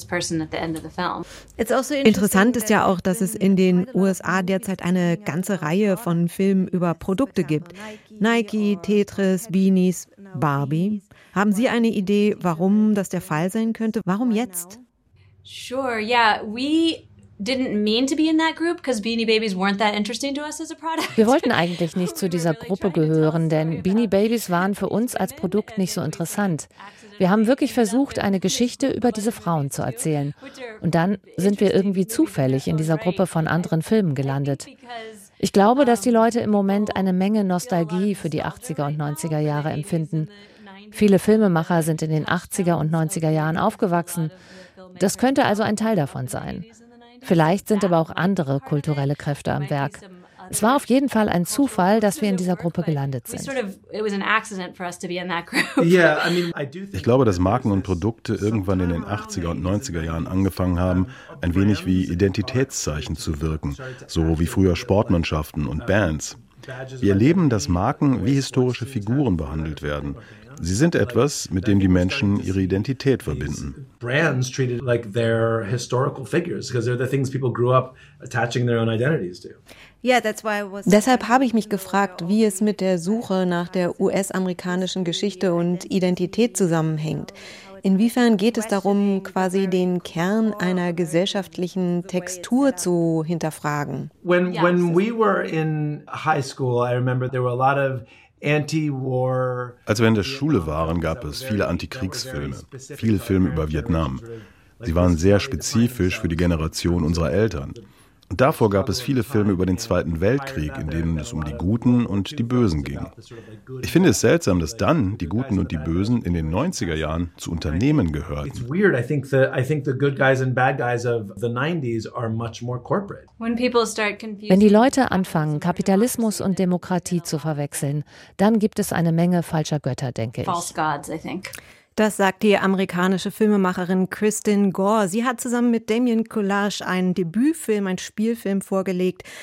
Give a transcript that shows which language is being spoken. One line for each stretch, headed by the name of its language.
German: Interessant ist ja auch, dass es in den USA derzeit eine ganze Reihe von Filmen über Produkte gibt. Nike, Tetris, Beanies, Barbie. Haben Sie eine Idee, warum das der Fall sein könnte? Warum jetzt?
English: Sure, yeah, we didn't mean to be in that group because Beanie Babies weren't that interesting to us as a product.
German: Wir wollten eigentlich nicht zu dieser Gruppe gehören, denn Beanie Babies waren für uns als Produkt nicht so interessant. Wir haben wirklich versucht, eine Geschichte über diese Frauen zu erzählen. Und dann sind wir irgendwie zufällig in dieser Gruppe von anderen Filmen gelandet. Ich glaube, dass die Leute im Moment eine Menge Nostalgie für die 80er und 90er Jahre empfinden. Viele Filmemacher sind in den 80er und 90er Jahren aufgewachsen. Das könnte also ein Teil davon sein. Vielleicht sind aber auch andere kulturelle Kräfte am Werk. Es war auf jeden Fall ein Zufall, dass wir in dieser Gruppe gelandet sind. Ich glaube, dass Marken und Produkte irgendwann in den 80er und 90er Jahren angefangen haben, ein wenig wie Identitätszeichen zu wirken, so wie früher Sportmannschaften und Bands. Wir erleben, dass Marken wie historische Figuren behandelt werden. Sie sind etwas, mit dem die Menschen ihre Identität verbinden.
English: Brands treated like they're historical figures because they're the things people grew up attaching their own identities to.
German: Deshalb habe ich mich gefragt, wie es mit der Suche nach der US-amerikanischen Geschichte und Identität zusammenhängt. Inwiefern geht es darum, quasi den Kern einer gesellschaftlichen Textur zu hinterfragen?
English: When we were in high school, I remember there were a lot of anti-war.
German: Als wir in der Schule waren, gab es viele Antikriegsfilme, viele Filme über Vietnam. Sie waren sehr spezifisch für die Generation unserer Eltern. Davor gab es viele Filme über den Zweiten Weltkrieg, in denen es um die Guten und die Bösen ging. Ich finde es seltsam, dass dann die Guten und die Bösen in den 90er Jahren zu Unternehmen gehörten.
English: It's weird. I think the good guys and bad guys of the 90s are much more corporate. When people start confusing.
German: Wenn die Leute anfangen, Kapitalismus und Demokratie zu verwechseln, dann gibt es eine Menge falscher Götter, denke ich.
English: False gods, I
German: think. Das sagt die amerikanische Filmemacherin Kristin Gore. Sie hat zusammen mit Damien Collage einen Debütfilm, einen Spielfilm vorgelegt.